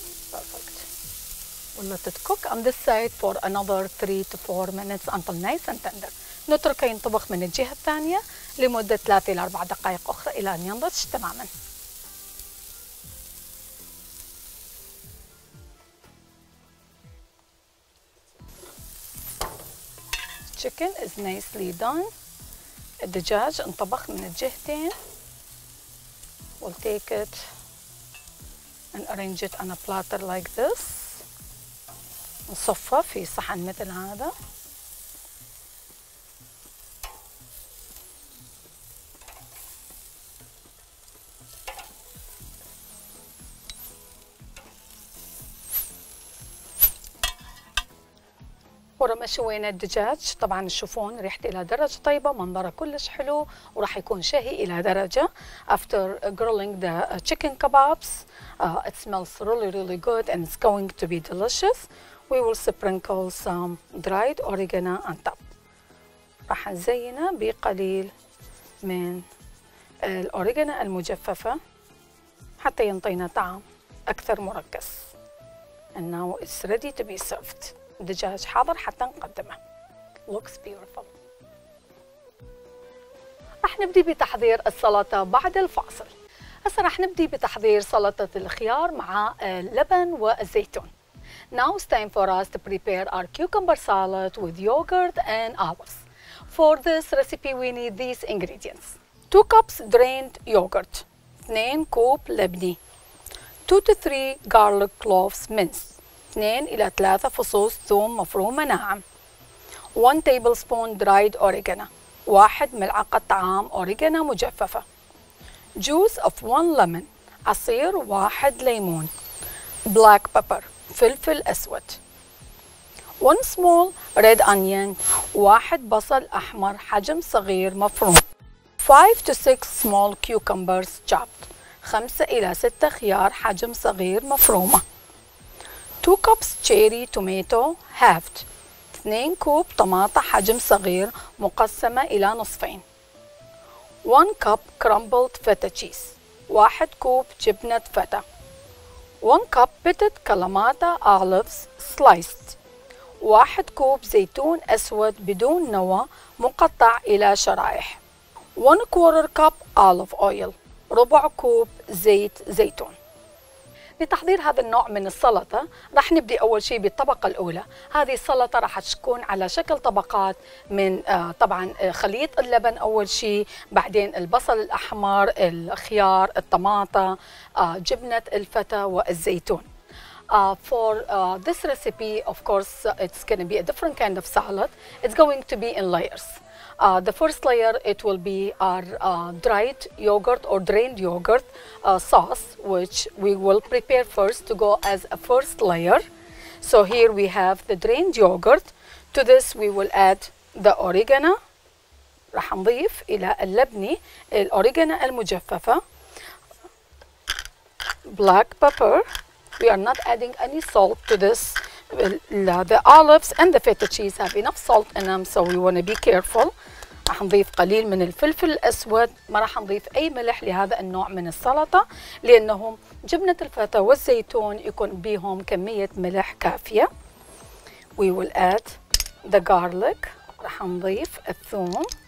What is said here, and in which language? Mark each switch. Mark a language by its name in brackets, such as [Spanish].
[English] Perfect. We'll let it cook on this side for another 3 to 4 minutes until nice and tender. [Arabic] نتركه ينطبخ من الجهة الثانية لمدة 3 إلى 4 دقائق أخرى إلى أن ينضج تماما. [English] Chicken is nicely done. [Arabic] الدجاج انطبخ من الجهتين. [English] We'll take it and arrange it on a platter like this. [Arabic] نصفه في صحن مثل هذا. ورما شوينا الدجاج طبعا تشوفون ريحته الى درجه طيبه، منظره كلش حلو وراح يكون شهي الى درجه. [English] After grilling the chicken kebabs, it smells really really good and it's going to be delicious. We will sprinkle some dried oregano on top. [Arabic] راح نزينه بقليل من الاوريجانا المجففه حتى ينطينا طعم أكثر مركز. [English] And now it's ready to be served. [Arabic] الدجاج حاضر حتى نقدمه. [English] Looks beautiful. [Arabic] رح نبدي بتحضير السلطة بعد الفاصل. هسا رح نبدي بتحضير سلطة الخيار مع اللبن والزيتون. [English] Now it's time for us to prepare our cucumber salad with yogurt and olives. For this recipe we need these ingredients. 2 cups drained yogurt. [Arabic] 2 كوب لبني. [English] 2 to 3 garlic cloves minced. [Arabic] 2 إلى 3 فصوص ثوم مفروم ناعم. [English] 1 tablespoon dried oregano. [Arabic] 1 ملعقة طعام أوريجانو مجففة. [English] Juice of 1 lemon. [Arabic] عصير 1 ليمون. [English] Black pepper. [Arabic] فلفل أسود. [English] 1 small red onion. [Arabic] 1 بصل أحمر حجم صغير مفروم. [English] 5 to 6 small cucumbers chopped. [Arabic] 5 إلى 6 خيار حجم صغير مفرومة. [English] 2 cups cherry tomato halved. [Arabic] 2 كوب طماطة حجم صغير مقسمة إلى نصفين. [English] 1 cup crumbled feta cheese. [Arabic] 1 كوب جبنة فتا. [English] 1 cup pitted calamata olives sliced. [Arabic] 1 كوب زيتون أسود بدون نوى مقطع إلى شرائح. [English] 1 quarter cup olive oil. [Arabic] ربع كوب زيت زيتون. لتحضير هذا النوع من السلطة رح نبدأ أول شيء بالطبقة الأولى. هذه السلطة رح تكون على شكل طبقات من طبعا خليط اللبن أول شيء، بعدين البصل الأحمر، الخيار، الطماطة، جبنة الفتا والزيتون. [English] For this recipe of course it's gonna be a different kind of salad. It's going to be in layers. The first layer, it will be our dried yogurt or drained yogurt sauce, which we will prepare first to go as a first layer. So here we have the drained yogurt. To this, we will add the oregano. [Arabic] رح نضيف إلى اللبني الأوريجانو المجففة. [English] Black pepper. We are not adding any salt to this. The olives and the feta cheese have enough salt in them, so we want to be careful. [Arabic] رح نضيف قليل من الفلفل الأسود، ما رح نضيف أي ملح لهذا النوع من السلطة لأنهم جبنة الفتا والزيتون يكون بهم كمية ملح كافية. [English] We will add the garlic. [Arabic] رح نضيف الثوم.